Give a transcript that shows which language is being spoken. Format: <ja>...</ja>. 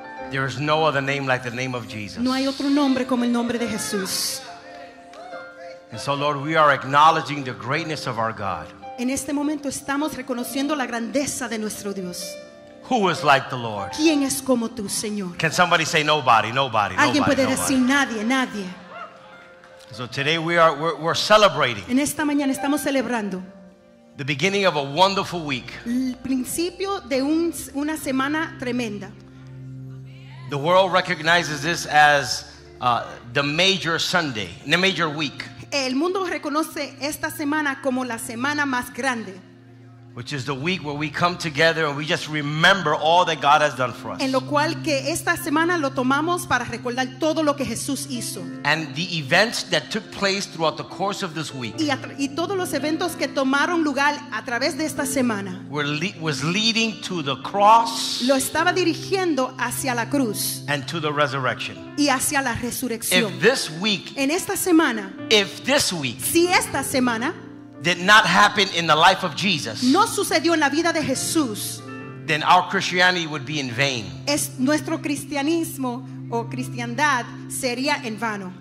<en>There is no other name like the name of Jesus.</en> <es>No hay otro nombre como el nombre de Jesús.</es> <en>And so, Lord, we are acknowledging the greatness of our God.</en> <es>En este momento estamos reconociendo la grandeza de nuestro Dios.</es> <en>Who is like the Lord?</en> <es>¿Quién es como tú, Señor?</es> <en>Can somebody say nobody, nobody, nobody?</en> <es>¿Alguien puede</es> <en>nobody.</en> <es>Decir nadie, nadie?</es> <en>So today we're celebrating.</en> <es>En esta mañana estamos celebrando.</es> <en>The beginning of a wonderful week.</en> <es>El principio de una semana tremenda.</es> <en>The world recognizes this as the major Sunday, the major week.</en> <es>El mundo reconoce esta semana como la semana más grande.</es> <en>Which is the week where we come together and we just remember all that God has done for us.</en> <es>En lo cual que esta semana lo tomamos para recordar todo lo que Jesús hizo.</es> <en>And the events that took place throughout the course of this week.</en> <es>Y todos los eventos que tomaron lugar a través de esta semana.</es> <en>Was leading to the cross.</en> <es>Lo estaba dirigiendo hacia la cruz.</es> <en>And to the resurrection.</en> <es>Y hacia la resurrección.</es> <en>If this week.</en> <es>En esta semana.</es> <en>If this week.</en> <es>Si esta semana.</es> <en>Did not happen in the life of Jesus.</en> <es>No sucedió en la vida de Jesús.</es> <en>Then our Christianity would be in vain.</en> <es>Es nuestro cristianismo o cristiandad sería en vano.</es>